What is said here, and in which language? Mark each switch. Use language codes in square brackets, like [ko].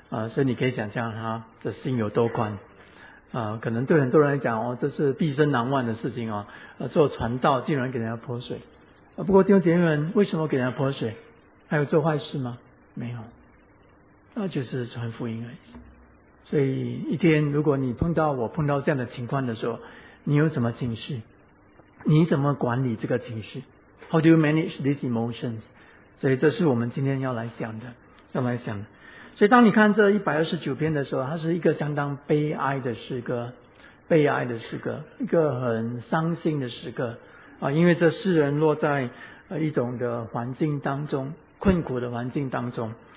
[zh] 所以你可以想象他的心有多宽。可能对很多人来讲，这是毕生难忘的事情，做传道竟然给人家泼水。不过弟兄姐妹们，为什么给人家泼水？还有做坏事吗？没有。那就是传福音而已。所以一天如果你碰到我碰到这样的情况的时候，你有什么情绪？你怎么管理这个情绪？ [en] How do you manage these emotions? [zh] 所以这是我们今天要来讲的，要来讲的。所以当你看这129篇的时候，它是一个相当悲哀的诗歌，悲哀的诗歌，一个很伤心的诗歌啊，因为这世人落在一种的环境当中，困苦的环境当中。